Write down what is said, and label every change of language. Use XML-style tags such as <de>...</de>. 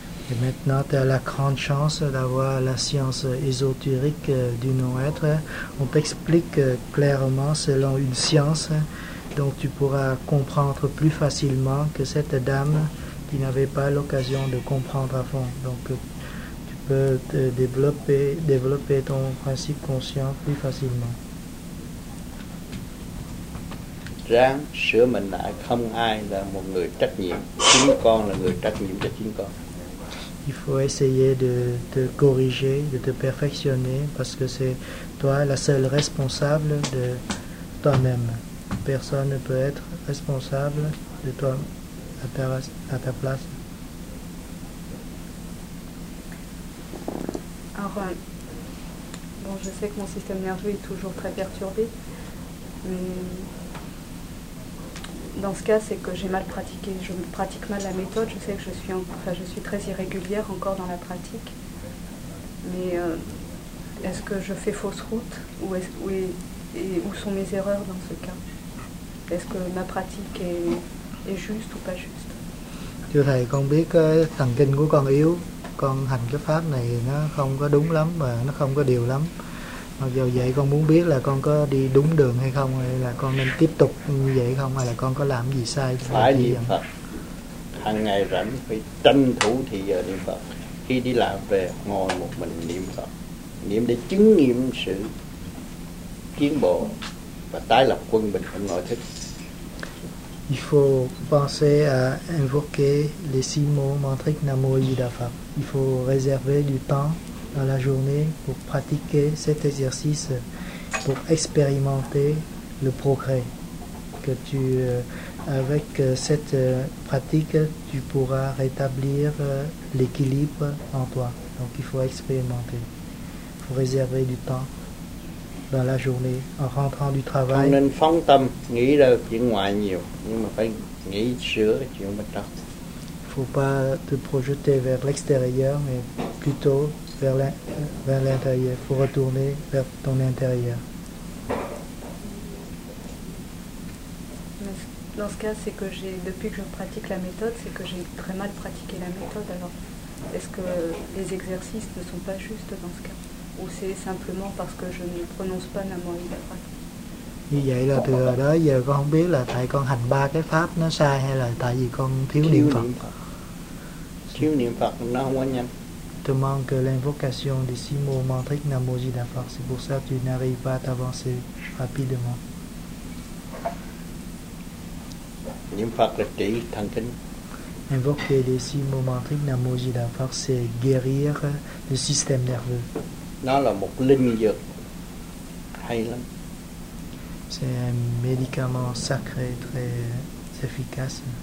<fr>Et maintenant tu as la grande chance d'avoir la science ésotérique du non-être. On t'explique clairement selon une science dont tu pourras comprendre plus facilement que cette dame qui n'avait pas l'occasion de comprendre à fond. Donc tu peux développer ton principe conscient plus facilement.</fr> <vi>Ráng sửa mình lại, không ai là một người trách nhiệm, chính con là người trách nhiệm cho chính con.</vi> <fr>Il faut essayer de te corriger, de te perfectionner, parce que c'est toi la seule responsable de toi-même. Personne ne peut être responsable de toi à ta place. Alors, bon, je sais que mon système nerveux est toujours très perturbé, mais dans ce cas, c'est que j'ai mal pratiqué. Je pratique mal la méthode. Je sais que je suis très irrégulière encore dans la pratique. Mais est-ce que je fais fausse route ou où sont mes erreurs dans ce cas? Est-ce que ma pratique est juste ou pas juste?</fr> <vi>Thưa thầy, con biết cái thần kinh của con yếu. Con hành cái pháp này nó không có đúng lắm và nó không có điều lắm. Mặc dù vậy con muốn biết là con có đi đúng đường hay không, hay là con nên tiếp tục như vậy không, hay là con có làm gì sai. Phải niệm Phật. Hằng ngày rảnh phải tranh thủ thì giờ niệm Phật. Khi đi làm về ngồi một mình niệm Phật. Niệm để chứng nghiệm sự tiến bộ và tái lập quân bình trong nội thức.</vi> <fr>Il faut penser à invoquer les six mots mantriques Namo Amida Phat. Il faut réserver du temps dans la journée pour pratiquer cet exercice, pour expérimenter le progrès que tu avec cette pratique tu pourras rétablir l'équilibre en toi. Donc il faut expérimenter, il faut réserver du temps dans la journée en rentrant du travail.</fr> <vi>Không nên phóng tâm nghĩ ra chuyện ngoài nhiều, nhưng mà phải nghĩ sửa chuyện bên trong.</vi> <fr>Faut pas te projeter vers l'extérieur mais plutôt vers l'intérieur, faut retourner vers ton intérieur. Dans ce cas, c'est que j'ai, depuis que je pratique la méthode, c'est que j'ai très mal pratiqué la méthode. Alors, est-ce que les exercices ne sont pas justes dans ce cas? Ou c'est simplement parce que je ne prononce pas Namo Amida Phat?</fr> <vi>Như vậy là từ đó giờ con không biết là tại con hành ba cái pháp nó sai hay là tại vì con thiếu niệm Phật. Thiếu niệm Phật nó không có nhanh.</vi> <fr>Te manque l'invocation des six mots mantriques Namo Amida Phat. C'est pour ça que tu n'arrives pas à t'avancer rapidement.</fr> <vi>Niệm Phật là trị thần kinh.</vi> <fr>Invoquer les six mots mantriques Namo Amida Phat, c'est guérir le système nerveux.</fr> <vi>Nó là một linh dược hay lắm.</vi> <fr>C'est un médicament sacré très efficace.</fr>